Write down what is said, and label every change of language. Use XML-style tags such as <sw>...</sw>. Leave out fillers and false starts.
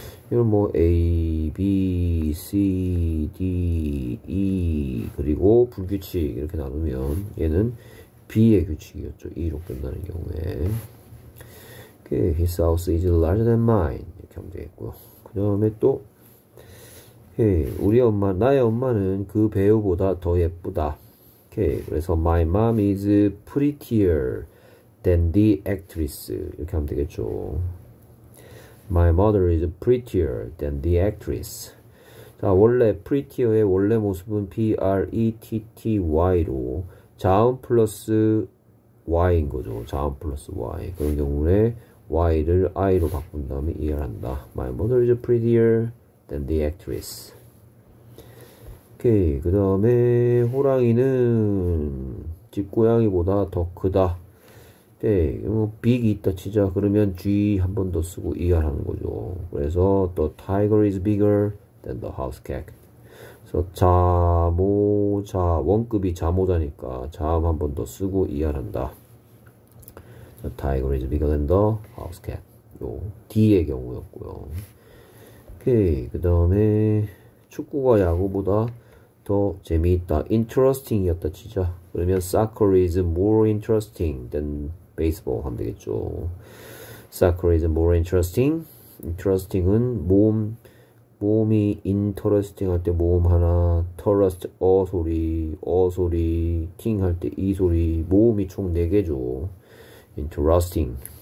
<ko>이런 뭐 A, B, C, D, E 그리고 불규칙 이렇게 나누면 얘는 B의 규칙이었죠. E로 끝나는 경우에. Okay,</ko> <en>his house is larger than mine.</en> <ko>이렇게 하면 되겠고요. 그 다음에 또 오케이. 나의 엄마는 그 배우보다 더 예쁘다. 오케이.</ko> <en>그래서 my mom is prettier than the actress.</en> <ko>이렇게 하면 되겠죠.</ko> <en>My mother is prettier than the actress.</en> <ko>자, 원래 prettier의 원래 모습은 pretty로 자음 플러스 y인 거죠. 자음 플러스 y. 그런 경우에 y를 i로 바꾼 다음에 이해한다.</ko> <en>My mother is prettier than the actress.</en> <ko>오케이. 그 다음에 호랑이는 집고양이보다 더 크다. 네, 빅이 있다 치자. 그러면 G 한번더 쓰고 이해하는 거죠.</ko> <en>그래서 the tiger is bigger than the house cat.</en> <ko>그래서 원급이 자모자니까 자음 한번더 쓰고 이해한다.</ko> <en>The tiger is bigger than the house cat.</en> <ko>요 D의 경우였고요. 오케이, 그 다음에 축구가 야구보다 더 재미있다. Interesting 이었다 치자. 그러면</ko> <en>soccer is more interesting than</en> <ko>베이스볼 하면 되겠죠.</ko> <en>Soccer is more interesting.</en> <ko>Interesting은 몸이 interesting 할때몸 하나, thrust 어 소리, ting 할때이 소리, 몸이 총 4개죠. Interesting.</ko>